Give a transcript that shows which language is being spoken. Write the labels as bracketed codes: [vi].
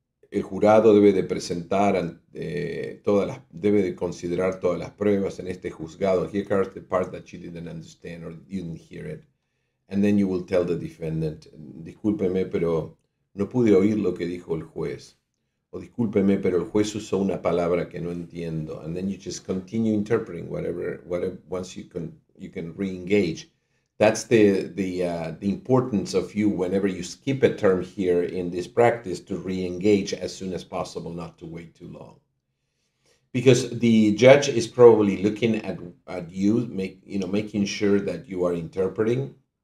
[es] El jurado debe de presentar ante todas las, debe de considerar todas las pruebas en este juzgado. [en] Here comes the part that you didn't understand or you didn't hear it. And then you will tell the defendant, [es] discúlpeme, pero no pude oír lo que dijo el juez. O discúlpeme, pero el juez usó una palabra que no entiendo. [en] And then you just continue interpreting whatever once you can re-engage. That's the importance of you whenever you skip a term here in this practice to re-engage as soon as possible, not to wait too long. Because the judge is probably looking at you, making sure that you are interpreting.